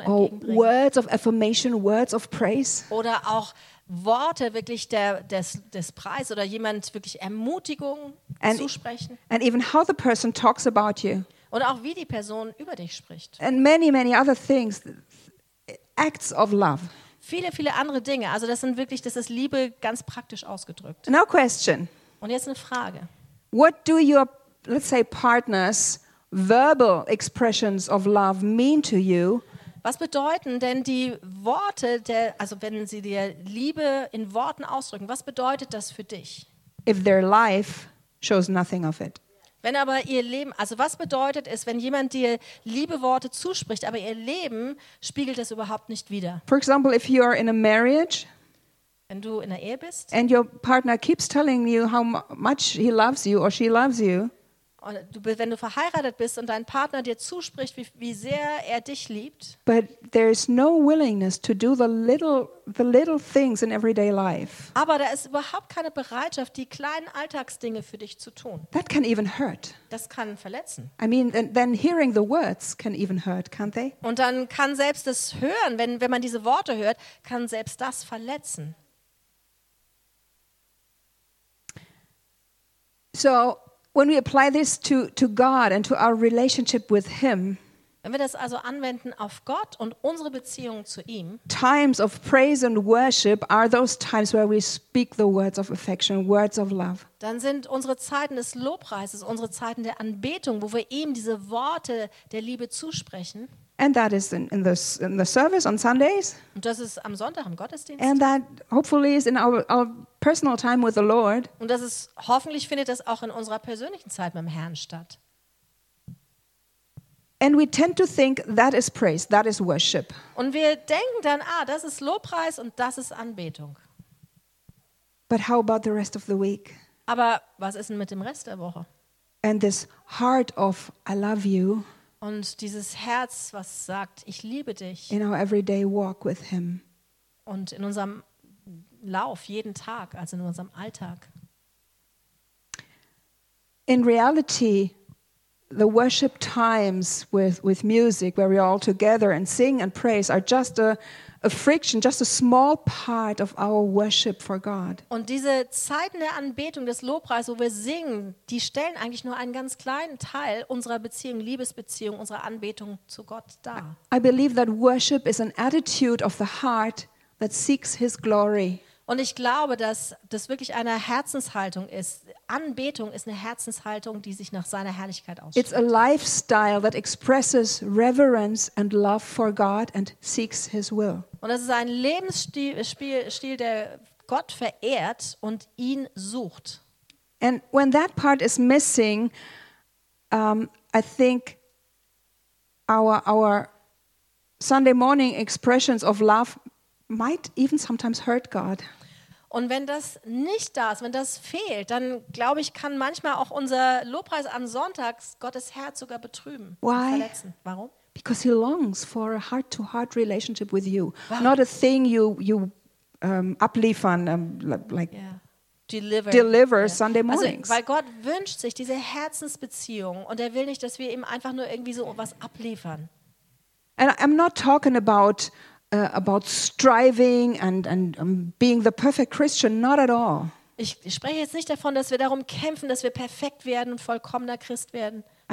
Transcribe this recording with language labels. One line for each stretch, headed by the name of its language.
German: entgegenbringen.
English: Oh, words of affirmation, words of praise.
German: Oder auch Worte wirklich des Preis oder jemand wirklich Ermutigung zusprechen.
English: And even how the person talks about you.
German: Und auch wie die Person über dich spricht.
English: And many, many other things. Acts of love.
German: Viele, viele andere Dinge. Also das sind wirklich, das ist Liebe ganz praktisch ausgedrückt.
English: Now question.
German: Und jetzt eine Frage.
English: What do your, let's say, partners verbal expressions of love mean to you?
German: Was bedeuten denn die Worte der, also wenn sie dir Liebe in Worten ausdrücken, was bedeutet das für dich?
English: If their life shows nothing of it.
German: Wenn aber ihr Leben, also was bedeutet es, wenn jemand dir liebe Worte zuspricht, aber ihr Leben spiegelt das überhaupt nicht wider?
English: For example, if you are in a marriage,
German: wenn du in der Ehe bist,
English: and your partner keeps telling you how much he loves you or she loves you,
German: und du, wenn du verheiratet bist und dein Partner dir zuspricht, wie sehr er dich liebt,
English: but there is no willingness to do the little things in everyday life.
German: Aber da ist überhaupt keine Bereitschaft, die kleinen Alltagsdinge für dich zu tun.
English: That can even hurt.
German: Das kann verletzen.
English: I mean, then hearing the words can even hurt, can't they?
German: Und dann kann selbst das Hören, wenn man diese Worte hört, kann selbst das verletzen.
English: So, when we apply this to God and to our relationship with him,
German: wenn wir das also anwenden auf Gott und unsere Beziehung zu ihm,
English: times of praise and worship are those times where we speak the words of affection, words of love.
German: Dann sind unsere Zeiten des Lobpreises, unsere Zeiten der Anbetung, wo wir ihm diese Worte der Liebe zusprechen.
English: And that is in the service on Sundays.
German: Und das ist am Sonntag im Gottesdienst.
English: And that hopefully is in our personal time with the Lord.
German: Und das ist hoffentlich findet das auch in unserer persönlichen Zeit mit dem Herrn statt.
English: And we tend to think that is praise, that is worship.
German: Und wir denken dann, ah, das ist Lobpreis und das ist Anbetung.
English: But how about the rest of the week?
German: Aber was ist denn mit dem Rest der Woche?
English: And this heart of I love you.
German: Und dieses Herz, was sagt, ich liebe dich.
English: In our everyday walk with him.
German: Und in unserem Lauf, jeden Tag, also in unserem Alltag.
English: In reality, the worship times with music, where we're all together and sing and praise, are just a friction, just a small part of our worship for God.
German: Und diese Zeiten der Anbetung, des Lobpreises, wo wir singen, die stellen eigentlich nur einen ganz kleinen Teil unserer Beziehung, Liebesbeziehung, unserer Anbetung zu Gott dar.
English: I believe that worship is an attitude of the heart that seeks his glory.
German: Und ich glaube, dass das wirklich eine Herzenshaltung ist. Anbetung ist eine Herzenshaltung, die sich nach seiner Herrlichkeit ausstreckt.
English: It's a lifestyle that expresses reverence and love for God and seeks his will.
German: Und es ist ein Lebensstil, der Gott verehrt und ihn sucht.
English: And when that part is missing, I think our Sunday morning expressions of love might even sometimes hurt God.
German: Und wenn das nicht da ist, wenn das fehlt, dann glaube ich, kann manchmal auch unser Lobpreis am Sonntag Gottes Herz sogar betrüben,
English: why?
German: Verletzen. Warum?
English: Because he longs for a heart-to-heart relationship with you, wow. Not a thing you abliefern, deliver yeah. Sunday mornings.
German: Also, weil Gott wünscht sich diese Herzensbeziehung und er will nicht, dass wir ihm einfach nur irgendwie so was abliefern.
English: And I'm not talking about striving and being the perfect Christian, not at all.
German: Ich spreche jetzt nicht davon, dass wir darum kämpfen, dass wir perfekt werden und vollkommener Christ werden.